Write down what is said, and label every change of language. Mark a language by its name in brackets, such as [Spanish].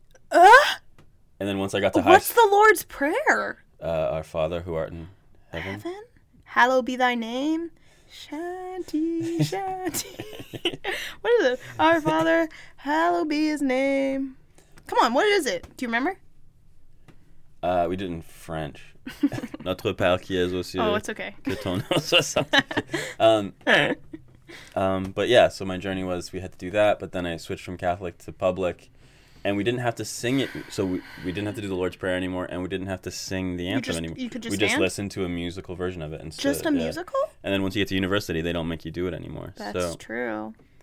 [English] And then once I got to what's the Lord's Prayer? Our Father who art in heaven. Heaven? Hallowed be thy name. Shanty, shanty. What is it? Our Father, hallowed be his name. Come on, what is it? Do you remember? We did it in French. [French] Notre Père qui est aux cieux. [English] Oh, it's okay. [French] Que ton nom soit sanctifié. [English] But yeah, so my journey was we had to do that, but then I switched from Catholic to public. And we didn't have to sing it, so we didn't have to do the Lord's Prayer anymore, and we didn't have to sing the anthem anymore. You could just we just listened to a musical version of it. And just a musical? And then once you get to university, they don't make you do it anymore. That's true.